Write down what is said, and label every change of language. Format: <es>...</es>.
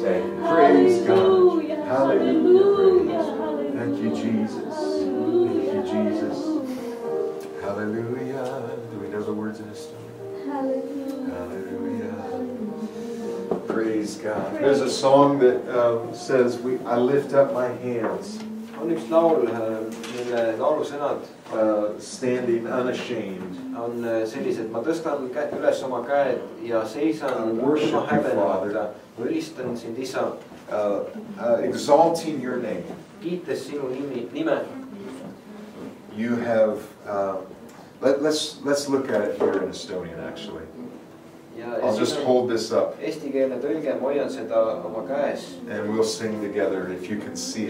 <en>Praise God. Hallelujah. Thank you, Jesus. Thank you, Jesus. Hallelujah. Do we know the words of this story? Hallelujah. Praise God. There's a song that says, I lift up my hands.</en> <et>On üks laul, mille laulusõnad</et> <en>standing unashamed.</en> <et>On sellised, ma tõstan üles oma käed ja seisan oma häbenemata. Ülistan sind isa.</et> <en>Exalting your name.</en> <et>Kiites sinu nime.</et> <en>You have, let's look at it here in Estonian actually. I'll just hold this up.</en> <et>Eesti keelne tõlge, ma hoian seda oma käes.</et> <en>And we'll sing together if you can see it.</en>